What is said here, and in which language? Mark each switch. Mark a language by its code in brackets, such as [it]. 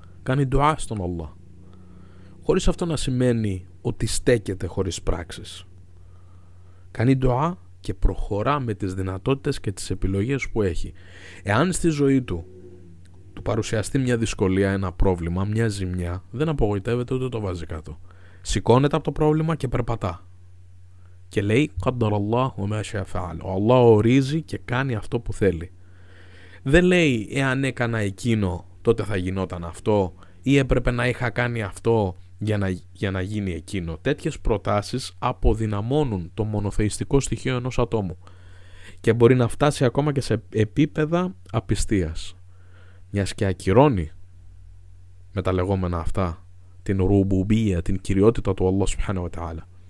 [el] Κάνει ντουά στον Αλλάχ. Χωρίς αυτό να σημαίνει ότι στέκεται χωρίς πράξεις. Κάνει ντουά και προχωρά με τις δυνατότητες και τις επιλογές που έχει. Εάν στη ζωή του του παρουσιαστεί μια δυσκολία, ένα πρόβλημα, μια ζημιά, δεν απογοητεύεται ούτε το βάζει κάτω. Σηκώνεται από το πρόβλημα και περπατά. Και λέει [ar] قدر الله وما شاء فعل. [el] Ο Αλλάχ ορίζει και κάνει αυτό που θέλει. Δεν λέει εάν έκανα εκείνο τότε θα γινόταν αυτό ή έπρεπε να είχα κάνει αυτό για να γίνει εκείνο. Τέτοιες προτάσεις αποδυναμώνουν το μονοθεϊστικό στοιχείο ενός ατόμου και μπορεί να φτάσει ακόμα και σε επίπεδα απιστίας, μιας και ακυρώνει με τα λεγόμενα αυτά την ρουμπουμπία, την κυριότητα του Αλλάχ Σουμπχάνα Βατάλα.